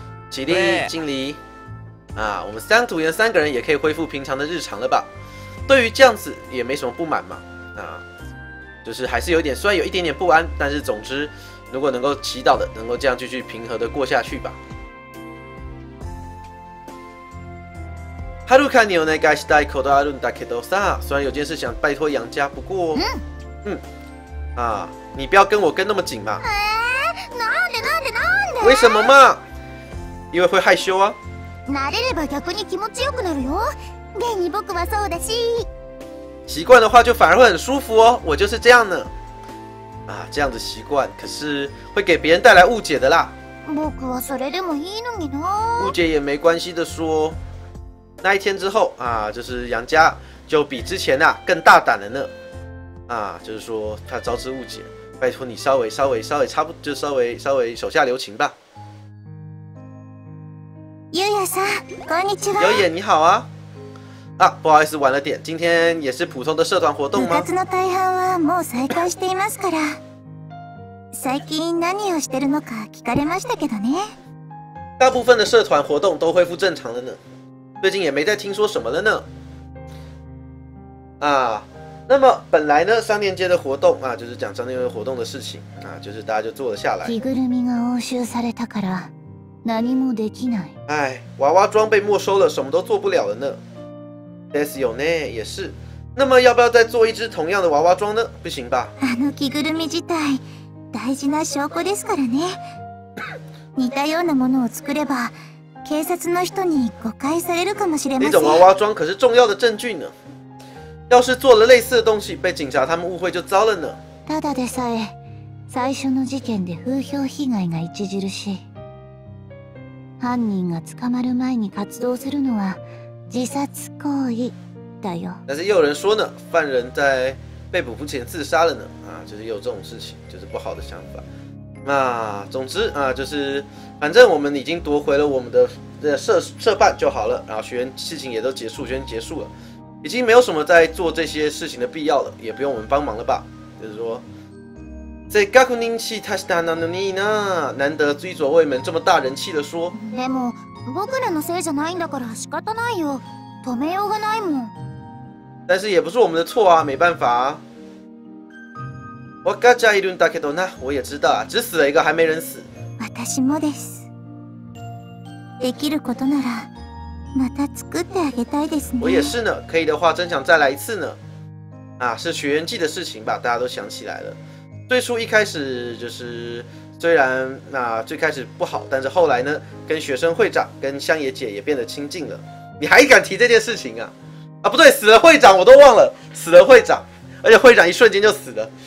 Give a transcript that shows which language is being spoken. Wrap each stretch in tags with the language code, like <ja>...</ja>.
<zh>起立，敬礼。啊，我们三组员三个人也可以恢复平常的日常了吧？对于这样子也没什么不满嘛。啊，就是还是有点，虽然有一点点不安，但是总之，如果能够祈祷的，能够这样继续平和的过下去吧。</zh> <ja>ハルカにお願いしたいことあるんだけどさ、</ja> <zh>虽然有件事想拜托杨家，不过，嗯，啊，你不要跟我跟那么紧嘛。</zh> <ja>なんでなんでなんで？</ja> <zh>为什么嘛？因为会害羞啊。</zh> <ja>慣れれば逆に気持ちよくなるよ。現に僕はそうだし。</ja> <zh>习惯的话就反而会很舒服哦。我就是这样呢。啊，这样的习惯可是会给别人带来误解的啦。</zh> <ja>僕はそれでもいいのにな。</ja> <zh>误解也没关系的说。那一天之后啊，就是杨家就比之前啊更大胆了呢。啊，就是说他招致误解，拜托你稍微差不就稍微手下留情吧。</zh> <ja>ゆうやさん、こんにちは。</ja> <zh>ゆうや、你好啊。啊，不好意思、晚了点。今天也是普通的社团活动吗？</zh> <ja>部活の大半はもう再開していますから。最近何をしてるのか聞かれましたけどね。</ja> <zh>大部分的社团活动都恢复正常了呢。最近也没再听说什么了呢。啊，那么本来呢，三年阶的活动啊，就是讲三年阶活动的事情啊，就是大家就坐了下来。</zh> <ja>着ぐるみが押収されたから。何もできない。</ja> <zh>哎，娃娃装被没收了，什么都做不了了呢。</zh> <ja>ですよね，</ja> <zh>也是。那么要不要再做一只同样的娃娃装呢？不行吧？</zh> <ja>あの着ぐるみ自体大事な証拠ですからね。似たようなものを作れば警察の人に誤解されるかもしれません。</ja> <zh>那种娃娃装可是重要的证据呢。要是做了类似的东西，被警察他们误会就糟了呢。</zh> <ja>ただでさえ最初の事件で風評被害が著しい。犯人が捕まる前に活動するのは自殺行為だよ。</ja> <zh>但是又有人说呢，犯人在被捕前自杀了呢。啊，就是有这种事情，就是不好的想法。那总之啊，就是反正我们已经夺回了我们的社办就好了，然后学员事情也都结束，学员结束了，已经没有什么在做这些事情的必要了，也不用我们帮忙了吧？就是说，在学校人气太大了呢，难得追左卫门这么大人气的说。</zh> <ja>でも僕らのせいじゃないんだから仕方ないよ。止めようがないもん。</ja> <zh>但是也不是我们的错啊，没办法、啊。</zh> <ja>我ガチャいるんだけどな。</ja> <zh>我也知道、啊、只死了一个，还没人死。</zh> <ja>私もです。できることなら、また作ってあげたいですね。</ja> <zh>我也是呢，可以的话，真想再来一次呢。啊，是学员季的事情吧？大家都想起来了。最初一开始就是，虽然那、啊、最开始不好，但是后来呢，跟学生会长、跟香野姐也变得亲近了。你还敢提这件事情啊？啊，不对，死了会长，我都忘了，死了会长，而且会长一瞬间就死了。</zh>